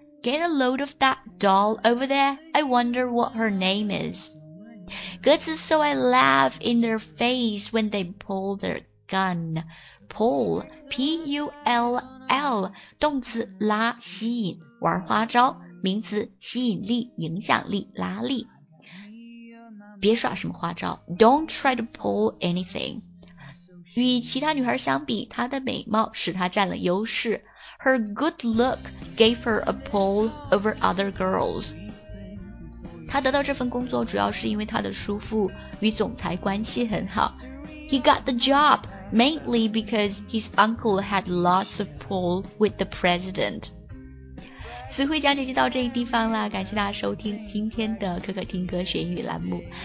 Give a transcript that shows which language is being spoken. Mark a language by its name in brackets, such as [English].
[English] Get a load of that doll over there, I wonder what her name is. 歌词 So I laugh in their face when they pull their gun. [Chinese] Pull, P-U-L-L, 动词拉、吸引、玩花招，名词吸引力、影响力、拉力。别耍什么花招， [English] Don't try to pull anything. [Chinese] 与其他女孩相比，她的美貌使她占了优势。 [English] Her good look gave her a pull over other girls. [Chinese] 他得到这份工作主要是因为他的叔父与总裁关系很好。 [English] He got the job mainly because his uncle had lots of pull with the president. [Chinese] 词汇讲解就到这个地方了，感谢大家收听今天的可可听歌学英语栏目。